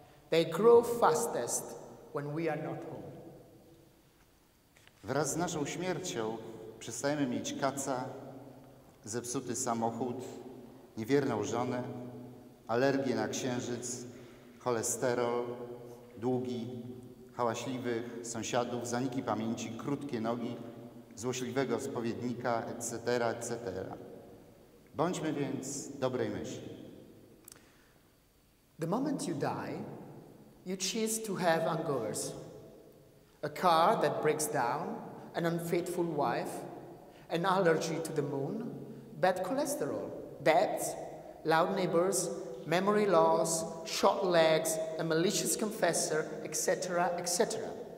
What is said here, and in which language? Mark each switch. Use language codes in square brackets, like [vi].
[en] They grow fastest when we are not home. [pl] Wraz z naszą śmiercią przestajemy mieć kaca, zepsuty samochód, niewierną żonę, alergię na księżyc, cholesterol, długi, hałaśliwych sąsiadów, zaniki pamięci, krótkie nogi, złośliwego spowiednika, etc., etc. Bądźmy więc dobrej myśli. [en] The moment you die, you choose to have hangovers. A car that breaks down, an unfaithful wife, an allergy to the moon, bad cholesterol, debts, loud neighbors, memory loss, short legs, a malicious confessor, etc., etc.